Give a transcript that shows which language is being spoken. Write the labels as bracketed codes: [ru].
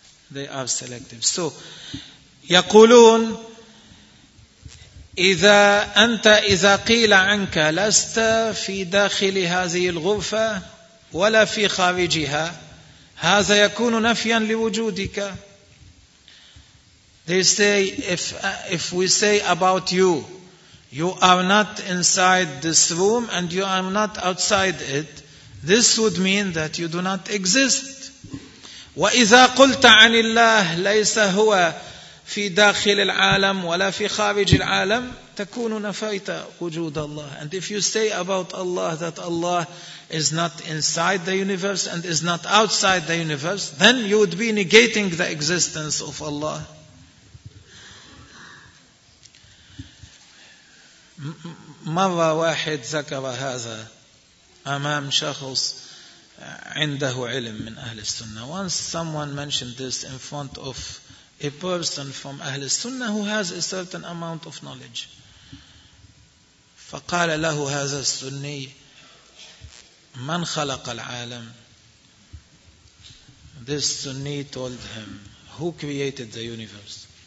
[en] They are selective. So [ar] يقولون إذا أنت إذا قيل عنك لست في داخل هذه الغرفة ولا في خارجها هذا يكون نفيا لوجودك. [en] They say if we say about you, you are not inside this room and you are not outside it, this would mean that you do not exist. [ar] وإذا قلت عن الله ليس هو في داخل العالم ولا في خارج العالم تكون نفيت وجود الله. [en] And if you say about Allah that Allah is not inside the universe and is not outside the universe, then you would be negating the existence of Allah. [ar] مرة واحد ذكر هذا أمام شخص عنده علم من أهل السنة. [en] Once someone mentioned this in front of a person from أهل السنة who has a certain amount of knowledge. [ar] فقال له هذا السني: من خلق العالم؟ [en] This sunni told him, who created the universe?